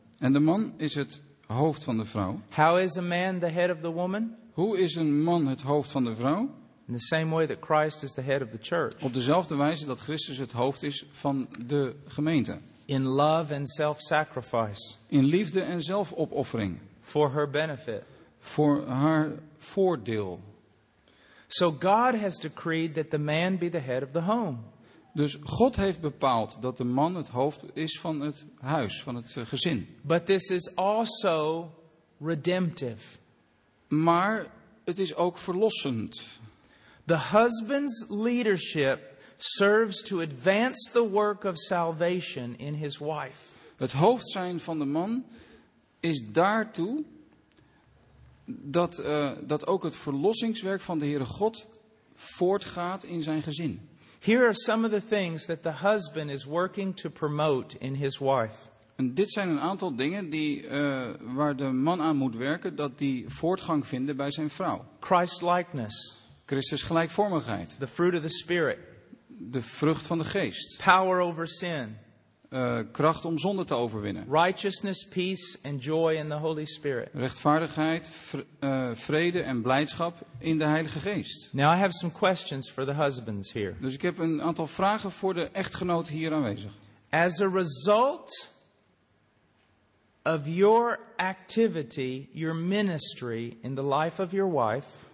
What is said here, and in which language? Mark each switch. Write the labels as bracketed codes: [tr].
[nl] En de man is het hoofd van de vrouw. [en] How is a man the head of the woman? [nl] Hoe is een man het hoofd van de vrouw? [en] In the same way that Christ is the head of the church. [nl] Op dezelfde wijze dat Christus het hoofd is van de gemeente. [en] In love and self-sacrifice. [nl] In liefde en zelfopoffering. [en] For her benefit. [nl] Voor haar voordeel. [en] So God has decreed that the man be the head of the home. [nl] Dus God heeft bepaald dat de man het hoofd is van het huis, van het gezin. [en] But this is also redemptive. [nl] Maar het is ook verlossend. [en] The husband's leadership serves to advance the work of salvation in his wife. [nl] Het hoofd zijn van de man is daartoe dat ook het verlossingswerk van de Heere God voortgaat in zijn gezin. [en] Here are some of the things that the husband is working to promote in his wife. [nl] En dit zijn een aantal dingen die, waar de man aan moet werken dat die voortgang vinden bij zijn vrouw. [en] Christ-likeness. [nl] Christus gelijkvormigheid. [en] The fruit of the Spirit. [nl] De vrucht van de geest. [en] Power over sin. [nl] Kracht om zonde te overwinnen. [en] Righteousness, peace and joy in the Holy Spirit. [nl] Rechtvaardigheid, vrede en blijdschap in de Heilige Geest. [en] Now I have some questions for the husbands here. [nl] Dus ik heb een aantal vragen voor de echtgenoot hier aanwezig. [en] As a result of your activity, your ministry in the life of your wife.